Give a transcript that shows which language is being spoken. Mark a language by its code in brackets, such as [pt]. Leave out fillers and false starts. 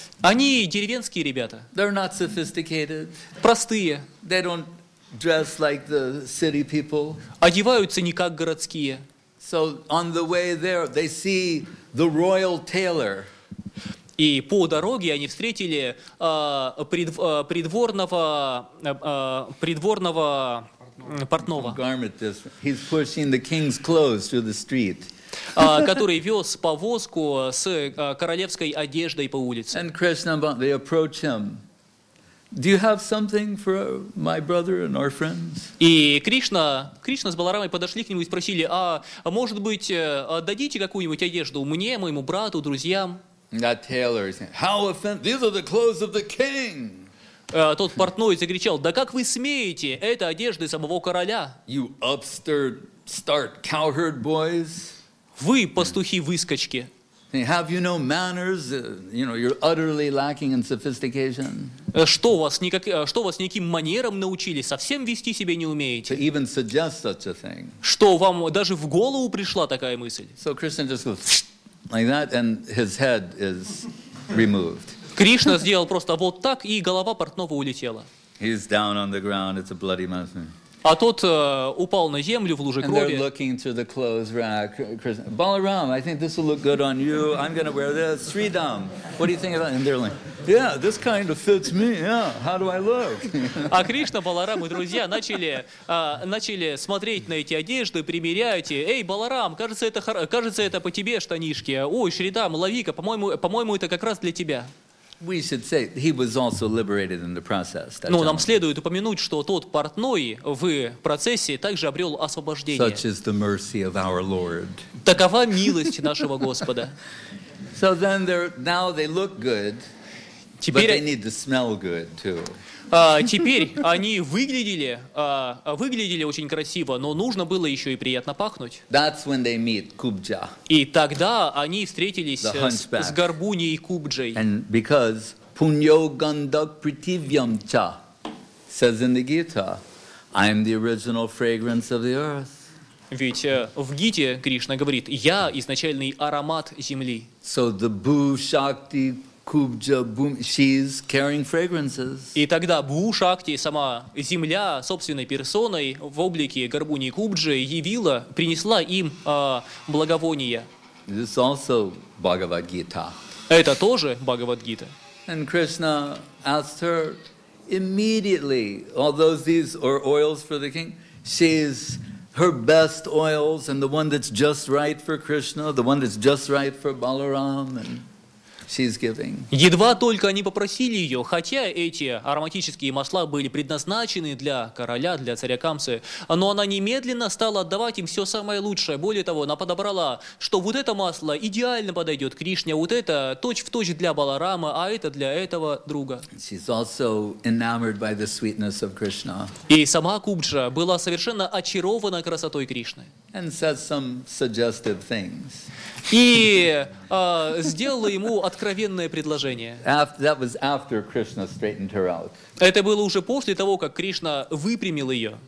[ru] Они деревенские ребята. [en] They're not sophisticated. [ru] Простые. [en] They don't dress like the city people. [ru] Одеваются не как городские. [en] So on the way there, they see the royal tailor. [ru] И по дороге они встретили придворного портного. [en] Garment district. He's pushing the king's clothes through the street. [ru] Который вез повозку с королевской одеждой по улице. [en] And Krishna, they approach him. Do you have something for my brother and our friends? [ru] И Кришна с Баларамой подошли к нему и спросили: а может быть, дадите какую-нибудь одежду мне, моему брату, друзьям? [en] That tailor is saying, how offensive! These are the clothes of the king. [ru] Тот портной закричал: да как вы смеете? Это одежды самого короля. [en] You upstart, start cowherd boys. [ru] Вы пастухи выскочки. [en] Have you no manners? You know, you're utterly lacking in sophistication. [ru] Что вас никаким манерам научили? Совсем вести себя не умеете? [en] To even suggest such a thing. [ru] Что вам даже в голову пришла такая мысль? [en] So Krishna just goes like that, and his head is removed. [ru] Кришна сделал просто вот так, и голова портного улетела. [en] He's down on the ground. It's a bloody mess. [ru] А тот упал на землю в луже крови. [en] And they're looking through the clothes rack. Balaram, I think this will look good on you. I'm going to wear this. Sridham, what do you think of that? And they're like, yeah, this kind of fits me. Yeah, how do I look? [ru] А Кришна, Баларам и друзья начали смотреть на эти одежды, примерять. Эй, Баларам, кажется, это по тебе штанишки. Ой, Шридам, лови-ка, по-моему, это как раз для тебя. [en] We should say he was also liberated in the process. [ru] Но нам следует упомянуть, что тот портной в процессе также обрел освобождение. [en] Such is the mercy of our Lord. [ru] Такова милость нашего Господа. [en] So then they're now they look good, but they need to smell good too. [ru] Теперь они выглядели очень красиво, но нужно было еще и приятно пахнуть. [en] That's when they meet Kubja. [ru] И тогда они встретились с Горбуней Кубджей. [en] And because [sa] Punyo Gandak Prithivyam Cha [en] says in the Gita, I am the original fragrance of the earth. [ru] Ведь в Гите Кришна говорит: я изначальный аромат земли. [en] So the Bhu Shakti Kubja, boom, she's carrying fragrances. [ru] И тогда Бху Шакти, сама земля, собственной персоной в облике Горбуни Кубджи, явила, принесла им благовония. [en] This is also Bhagavad Gita. [ru] Это тоже Бхагавад Гита. [en] And Krishna asked her immediately, although these are oils for the king, she's her best oils and the one that's just right for Krishna, the one that's just right for Balaram and she's giving. [ru] Едва только они попросили ее, хотя эти ароматические масла были предназначены для короля, для царя Камсы, но она немедленно стала отдавать им все самое лучшее. Более того, она подобрала, что вот это масло идеально подойдет Кришне, вот это точь-в-точь для Баларамы, а это для этого друга. [en] She's also enamored by the sweetness of Krishna. [ru] И сама Кубджа была совершенно очарована красотой Кришны. [en] And said some suggestive things. [ru] И сделала ему откровенное предложение. [en] That was after Krishna straightened her out. [ru] Это было уже после того, как Кришна выпрямил ее.